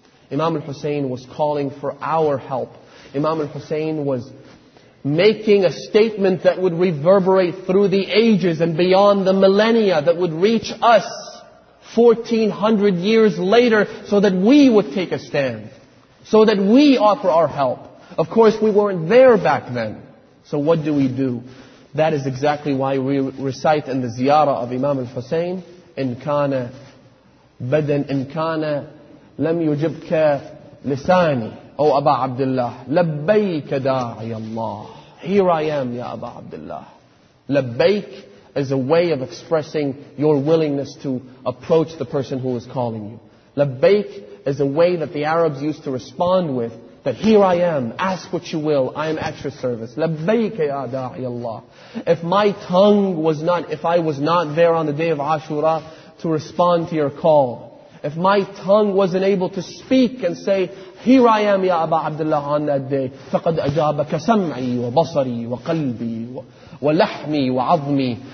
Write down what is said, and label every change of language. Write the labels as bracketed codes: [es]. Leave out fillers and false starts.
[en] Imam al-Hussein was calling for our help. Imam al-Hussein was making a statement that would reverberate through the ages and beyond the millennia, that would reach us 1400 years later, so that we would take a stand, so that we offer our help. Of course, we weren't there back then. So what do we do? That is exactly why we recite in the ziyarah of Imam al-Hussein, [ar] إن كان بدن إن كان لم يجبك لساني أو أبا عبد الله لبيك داعي الله. [en] Here I am, Ya Aba Abdullah. Labbaik is a way of expressing your willingness to approach the person who is calling you. Labbaik is a way that the Arabs used to respond with, that here I am, ask what you will, I am at your service. Labbaik Ya Da'i Allah. If my tongue was not, if I was not there on the day of Ashura to respond to your call, if my tongue wasn't able to speak and say, here I am, Ya Aba Abdullah, on that day, [ar] فَقَدْ أَجَابَكَ سَمْعِي وَبَصَرِي وَقَلْبِي وَلَحْمِي وَعَظْمِي.